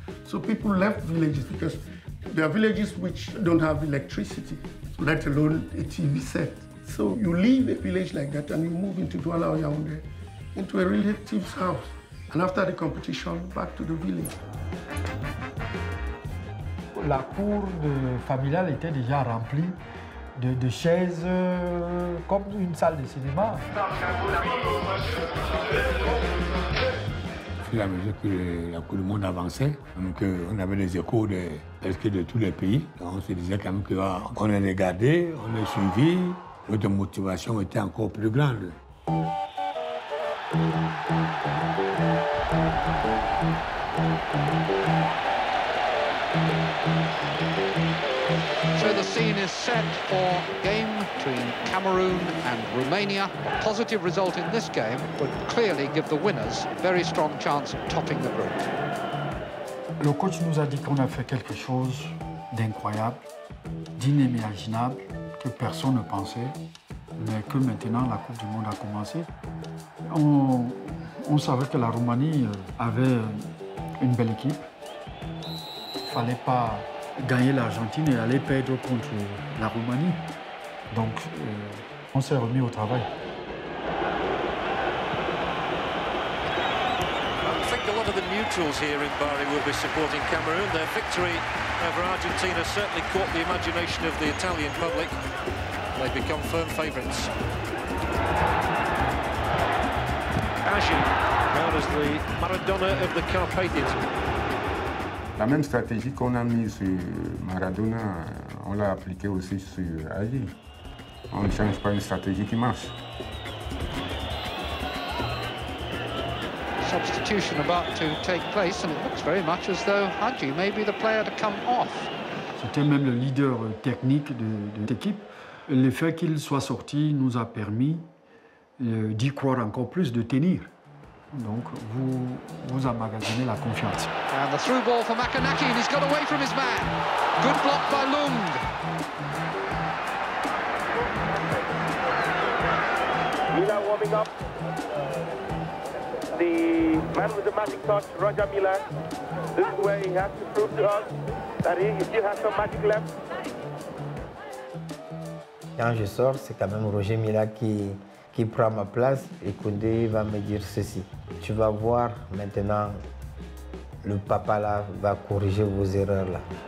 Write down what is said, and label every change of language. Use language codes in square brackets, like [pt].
[en] So people left villages because there are villages which don't have electricity, let alone a TV set. So you leave a village like that and you move into Douala Oyaounde, into a relative's house. And after the competition, back to the village. [fr] La cour de familiale était déjà remplie de chaises comme une salle de cinéma. Au fur et à mesure que la Coupe du Monde avançait, donc, on avait des échos de tous les pays. Donc, on se disait quand même qu'on est regardé, on est suivi, notre motivation était encore plus grande. [en] Set for game between Cameroon and Romania. A positive result in this game would clearly give the winners a very strong chance of topping the group. [fr] Le coach nous a dit qu'on a fait quelque chose d'incroyable, d'inimaginable, que personne ne pensait, mais que maintenant la Coupe du Monde a commencé. On savait que la Roumanie avait une belle équipe. Il ne fallait pas gagner l'Argentine et aller perdre contre la Roumanie. Donc, on s'est remis au travail. [en] I think a lot of the neutrals here in Bari will be supporting Cameroon. Their victory over Argentina certainly caught the imagination of the Italian public. They've become firm favourites. Agin, known as the Maradona of the Carpathians. [fr] La même stratégie qu'on a mise sur Maradona, on l'a appliquée aussi sur Agin. On ne change pas une stratégie qui marche. [en] Substitution about to take place, and it looks very much as though Hadji may be the player to come off. [fr] C'était même le leader technique de l'équipe. Le fait qu'il soit sorti nous a permis d'y croire encore plus, de tenir. Donc, vous emmagasinez la confiance. [en] And the through ball for Makanaki, and he's got away from his man. Good block by Lung. Mila warming up. The man with the magic touch, Roger Mila. This is where he has to prove to us that he still has some magic left. [fr] Quand je sors, c'est quand même Roger Mila qui prend ma place. Et Koundé va me dire ceci. Tu vas voir maintenant, le papa là va corriger vos erreurs là.